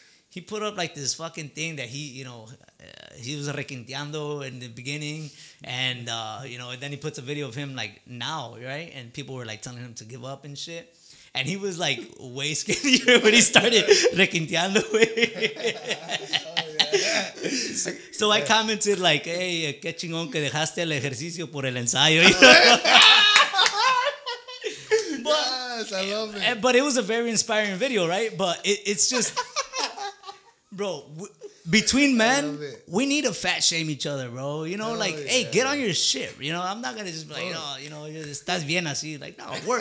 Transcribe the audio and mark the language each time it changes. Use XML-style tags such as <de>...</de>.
<en>He put up, like, this fucking thing that he, you know... he was requinteando in the beginning and, you know, and then he puts a video of him like now, right? And people were like telling him to give up and shit. And he was like way skinnier when he started requinteando. Oh, yeah. So yeah. I commented like, hey,</en> <es>qué chingón que dejaste el ejercicio por el ensayo.</es> <en>But, yes, I love it. But it was a very inspiring video, right? But it's just, bro... Between men, we need to fat shame each other, bro. You know, like, yeah, hey, get on your shit. You know, I'm not going to just be like, you know,</en> <es>estás bien así.</es> <en>Like, no, work.</en>